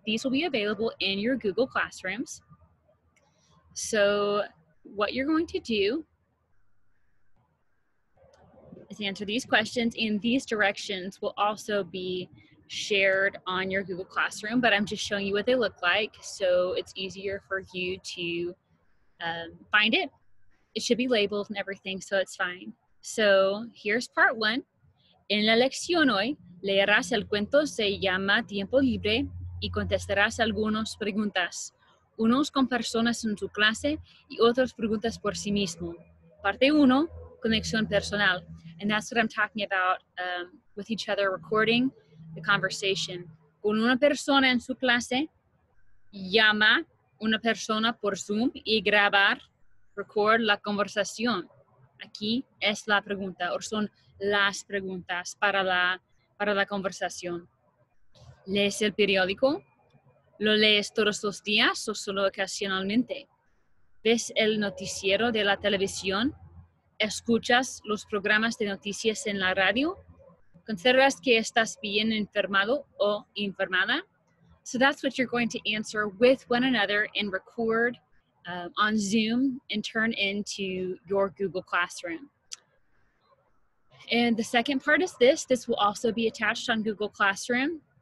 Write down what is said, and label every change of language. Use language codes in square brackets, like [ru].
[en] These will be available in your Google Classrooms. So what you're going to do is answer these questions, and these directions will also be shared on your Google Classroom, but I'm just showing you what they look like so it's easier for you to find it. It should be labeled and everything, so it's fine. So here's part one. [es] En la lección hoy, leerás el cuento se llama Tiempo Libre y contestarás algunas preguntas, unos con personas en su clase y otras preguntas por sí mismo. Parte uno, conexión personal. [en] And that's what I'm talking about with each other recording the conversation. [es] Con una persona en su clase, llama una persona por Zoom y grabar, record la conversación. Aquí es la pregunta, o son las preguntas para la conversación. ¿Lees el periódico? ¿Lo lees todos los días o solo ocasionalmente? ¿Ves el noticiero de la televisión? ¿Escuchas los programas de noticias en la radio? ¿Consideras que estás bien enfermado o enfermada? [en] So that's what you're going to answer with one another and record on Zoom and turn into your Google Classroom. And the second part is this. This will also be attached on Google Classroom.